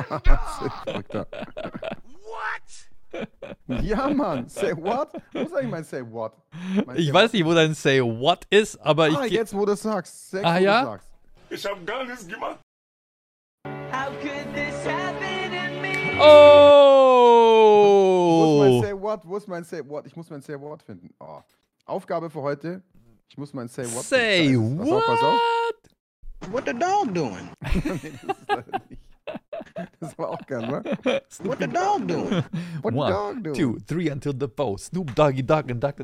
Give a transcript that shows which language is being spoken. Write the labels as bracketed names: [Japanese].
[English] What? [German] Ja, Mann, say what? Wo sag ich mein say what? Ich weiß nicht, wo dein say what ist, aber ich... Ah, jetzt, wo du sagst. Ich hab gar nichts gemacht. [English] How could this happen to me? Oh! [German] Wo ist mein say Wort? Wo ist mein Say What? Ich muss mein Say What finden. Oh. Aufgabe für heute. Ich muss mein Say What finden. Say What? Pass auf. [English] What the dog doing? Nee, [German] das war auch geil, ne? [English] What the dog doing? What the dog doing? 1, 2, 3 until the bow. Snoop Doggy Dog and Dr.